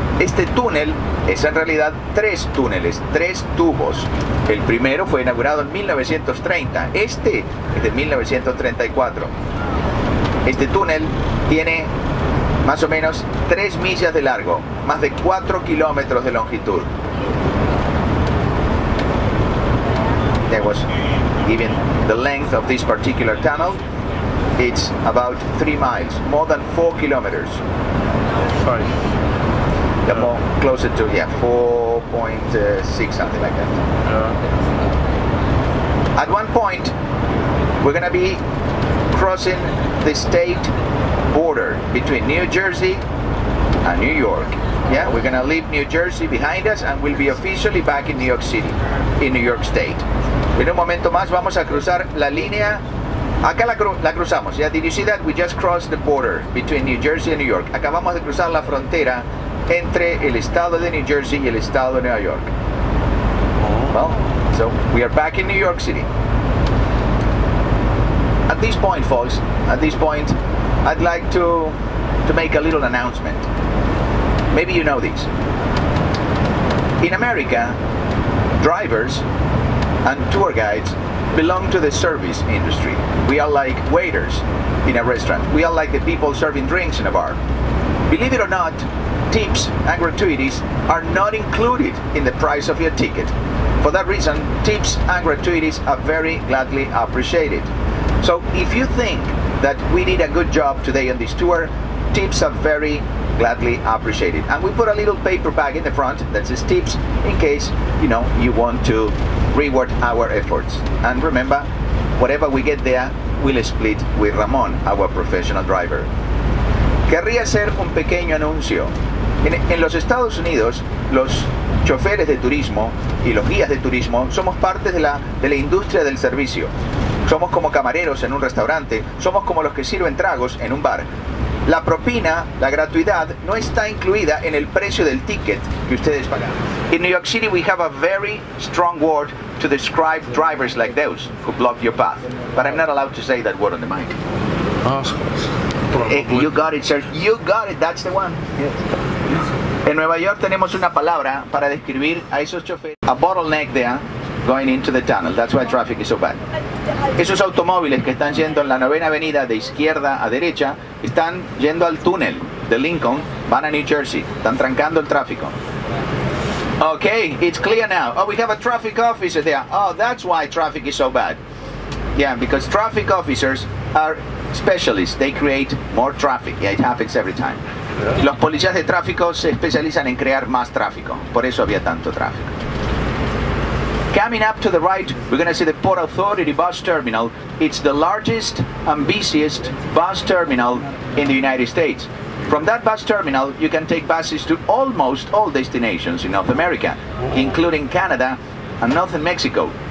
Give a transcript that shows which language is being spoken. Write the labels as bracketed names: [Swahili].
[Spanish] Este túnel es en realidad tres túneles, tres tubos. El primero fue inaugurado en 1930. Este es de 1934. Este túnel tiene más o menos 3 millas de largo, más de 4 kilómetros de longitud. [English] That was given the length of this particular tunnel. It's about 3 miles, more than 4 kilometers. Five. More closer to, 4.6, something like that. At one point, we're going to be crossing the state border between New Jersey and New York. Yeah, we're gonna leave New Jersey behind us and we'll be officially back in New York City, in New York State. [Spanish] En un momento más vamos a cruzar la línea. Acá la cruzamos. [English] Yeah, did you see that? We just crossed the border between New Jersey and New York. [Spanish] Acabamos de cruzar la frontera entre el estado de New Jersey y el estado de New York. [English] Well, so we are back in New York City. At this point, folks, at this point, I'd like to make a little announcement. Maybe you know this. In America, drivers and tour guides belong to the service industry. We are like waiters in a restaurant. We are like the people serving drinks in a bar. Believe it or not, tips and gratuities are not included in the price of your ticket. For that reason, tips and gratuities are very gladly appreciated. So if you think that we did a good job today on this tour, tips are very gladly appreciated. And we put a little paper bag in the front that says tips in case, you know, you want to reward our efforts. And remember, whatever we get there, we'll split with Ramon, our professional driver. [Spanish] Querría hacer un pequeño anuncio. En los Estados Unidos, los choferes de turismo y los guías de turismo somos parte de la industria del servicio. Somos como camareros en un restaurante, somos como los que sirven tragos en un bar. La propina, la gratuidad, no está incluida en el precio del ticket que ustedes pagan. [English] In New York City, we have a very strong word to describe drivers like those who block your path. But I'm not allowed to say that word on the mic. You got it, sir. You got it. That's the one. [Spanish] En Nueva York tenemos una palabra para describir a esos choferes. [English] A bottleneck there. Going into the tunnel, that's why traffic is so bad. [Spanish] Esos automóviles que están yendo en la novena avenida de izquierda a derecha están yendo al túnel de Lincoln, van a New Jersey, están trancando el tráfico. [English] Okay, it's clear now. Oh, we have a traffic officer there. Oh, that's why traffic is so bad. Yeah, because traffic officers are specialists. They create more traffic. Yeah, it happens every time. [Spanish] Los policías de tráfico se especializan en crear más tráfico. Por eso había tanto tráfico. [English] Coming up to the right, we're going to see the Port Authority bus terminal. It's the largest and busiest bus terminal in the United States. From that bus terminal, you can take buses to almost all destinations in North America, including Canada and Northern Mexico.